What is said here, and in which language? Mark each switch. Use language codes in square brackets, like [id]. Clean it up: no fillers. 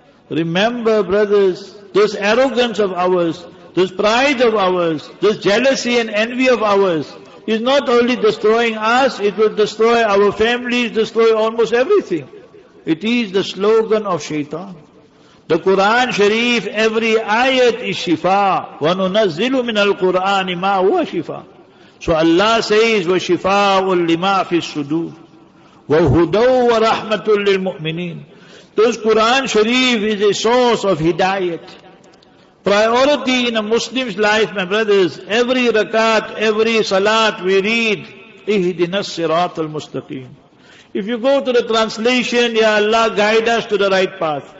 [en] Remember, brothers, this arrogance of ours, this pride of ours, this jealousy and envy of ours is not only destroying us, it will destroy our families, destroy almost everything. It is the slogan of shaitan. The Quran Sharif, every ayat is shifa. [ar] وَنُنَزِّلُ مِنَ الْقُرْآنِ مَا هُوَ شِفَى. [en] So Allah says, [ar] وَشِفَاءٌ لِمَا فِي الصُّدُورِ وَهُدَوْ وَرَحْمَةٌ لِلْمُؤْمِنِينَ. [en] This Quran Sharif is a source of hidayat. Priority in a Muslim's life, my brothers, every rakat, every salat we read, [ar] اِهْدِنَا الصِّرَاطَ الْمُسْتَقِيمِ. [en] If you go to the translation, Ya Allah, guide us to the right path.